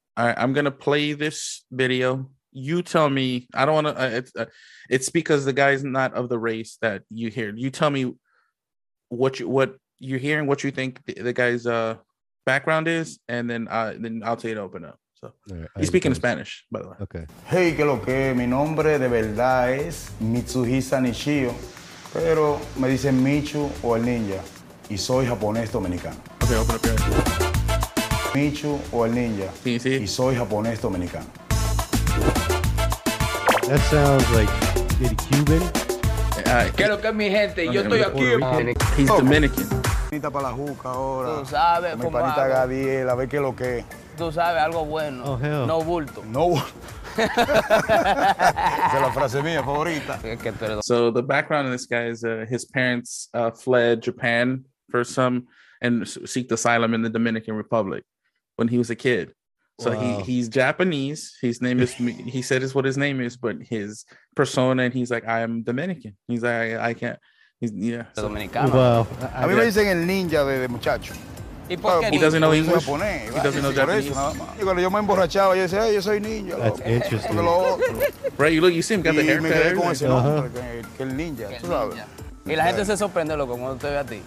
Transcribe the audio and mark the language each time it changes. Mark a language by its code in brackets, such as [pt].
[en] I'm going to play this video. You tell me, I don't want to, it's because the guy's not of the race that you hear. You tell me what you're hearing, what you think the guy's background is, and then I'll tell you to open up. So right, he's speaking in Spanish, by the way. Okay. [es] Hey, que lo que, mi nombre de verdad es Mitsuhisa Nishio, pero me dicen Michu o el Ninja, y soy japonés dominicano. [en] Okay, open up your eyes. [es] Michu o el Ninja, sí. Y soy japonés dominicano. [en] That sounds like maybe Cuban. [es] Quiero que mi gente, yo estoy aquí. [en] He's Dominican. [es] Panita para la juca ahora. Tú sabes, mi panita Gabriel, a ver qué lo que. Tú sabes algo bueno. [en] Oh, hell. [es] No bulto. No. Esa es la frase mía favorita. [en] So the background of this guy is his parents fled Japan for some and sought asylum in the Dominican Republic when he was a kid. So wow. He's Japanese. His name is, he said is what his name is, but his persona, and he's like, I am Dominican. He's like, I can't. He's, yeah. [es] So. Dominicano. [en] Wow. [es] A mí me dicen el ninja de muchacho. ¿Y por qué? [en] He doesn't know English. He doesn't know Japanese. [es] Y cuando yo me emborrachaba, yo decía, yo soy ninja. [en] That's interesting. Lo otro. Right, you see him got the hair. [es] Y me quedé con ese nombre, que el ninja, tú sabes. Y la gente se sorprende loco cuando te ve a ti.